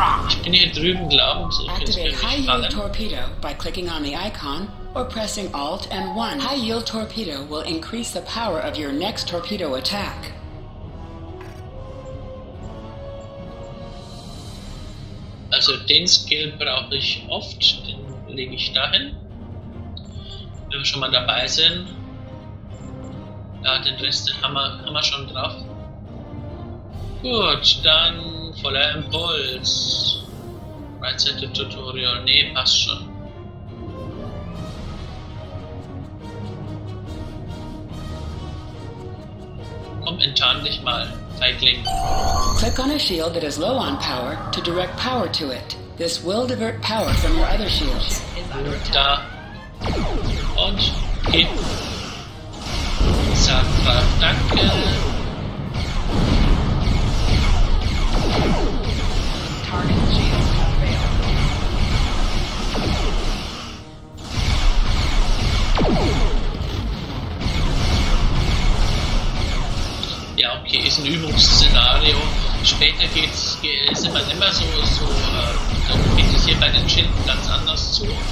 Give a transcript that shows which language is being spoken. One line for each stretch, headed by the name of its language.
German: Ich bin hier drüben glaubend, so ich kann es mir nicht fangen.
English: Torpedo by clicking on the icon or pressing Alt and 1. High yield torpedo will increase the power of your next torpedo attack.
German: Also den Skill brauche ich oft, den lege ich dahin. Wenn wir schon mal dabei sind. Ja, den Rest haben wir schon drauf. Gut, dann voller Impuls.
English: Right Side Tutorial.
German: Nee, passt schon. Komm, enttarn dich mal, Feigling.
English: Click on a shield that is low on power to direct power to it. This will divert power from your other shields.
German: Da. Und hin. Sakra, danke.
English: Target shields have failed.
German: diesem Übungsszenario. Später geht's immer so, dann geht es hier bei den Schilden ganz anders zu.